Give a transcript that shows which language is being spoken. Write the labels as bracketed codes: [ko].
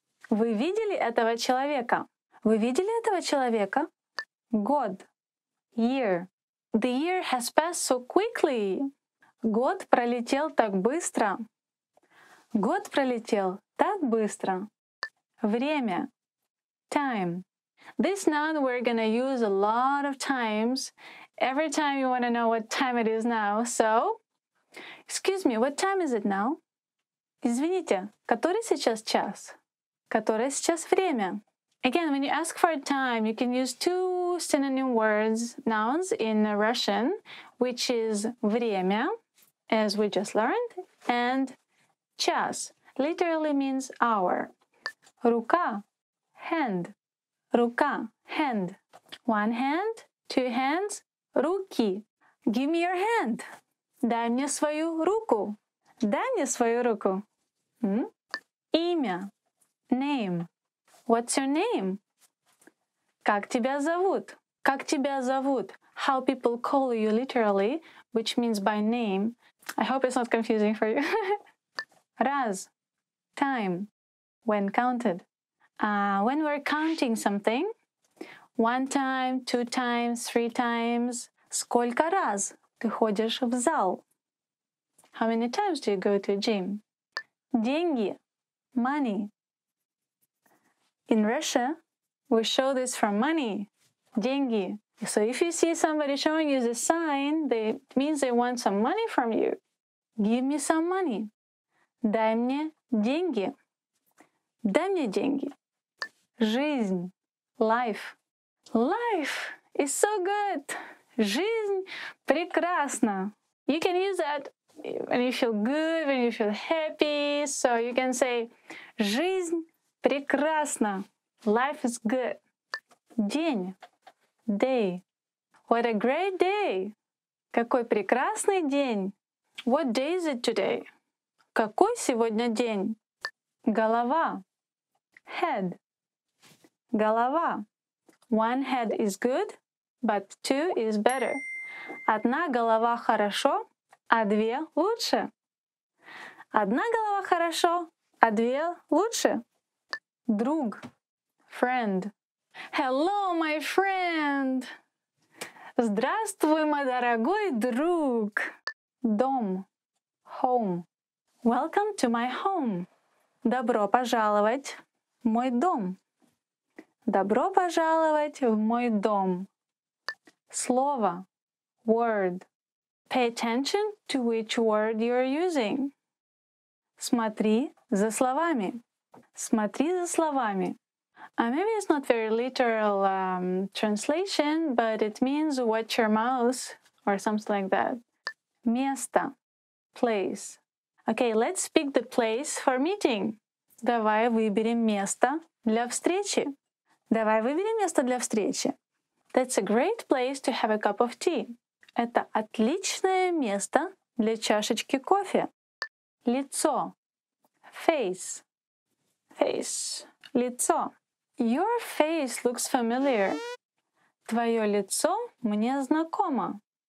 [ru] Вы видели этого человека? Вы видели этого человека? [en] Год. Year. The year has passed so quickly. [ru] Год пролетел так быстро. Год пролетел так быстро. Время. Time. [en] This noun we're going to use a lot of times. Every time you want to know what time it is now. So, excuse me, what time is it now? [ru] Извините, который сейчас час? Которое сейчас время? [en] Again, when you ask for a time, you can use two synonym words, nouns in Russian, which is время, as we just learned, and час, literally means hour. [ru] Рука, hand. Рука, hand. [en] One hand, two hands, руки. Give me your hand. [ru] Дай мне свою руку. Дай мне свою руку. Имя. [en] Name. What's your name? [ru] Как тебя зовут? Как тебя зовут? [en] How people call you literally, which means by name. I hope it's not confusing for you. Раз. Time. When counted. When we're counting something, one time, two times, three times. [ru] Сколько раз ты ходишь в зал? [en] How many times do you go to a gym? Деньги. Money. In Russia, we show this for money. Деньги. So if you see somebody showing you the sign, it means they want some money from you. Give me some money. [ru] Дай мне деньги. Дай мне деньги. Жизнь. Life. [en] Life is so good. [ru] Жизнь прекрасна. [en] You can use that when you feel good, when you feel happy. So you can say [ru] жизнь прекрасна. [en] Life is good. День. Day. What a great day. [ru] Какой прекрасный день. [en] What day is it today? [ru] Какой сегодня день? [en] Голова. Head. Голова. One head is good, but two is better. [ru] Одна голова хорошо, а две лучше. Одна голова хорошо, а две лучше. [en] Друг. Friend. Hello, my friend. [ru] Здравствуй, мой дорогой друг. [en] Дом. Home. Welcome to my home. [ru] Добро пожаловать в мой дом. Добро пожаловать в мой дом. [en] Слово. Word. Pay attention to which word you're using. [ru] Смотри за словами. Смотри за словами. [en] Maybe it's not very literal translation, but it means watch your mouth or something like that. Место. Place. Okay, let's pick the place for meeting. [ru] Давай выберем место для встречи. Давай выберем место для встречи. [en] That's a great place to have a cup of tea. [ru] Это отличное место для чашечки кофе. Лицо. Face. Face. Лицо. [en] Your face looks familiar. [ru] Твое лицо мне знакомо.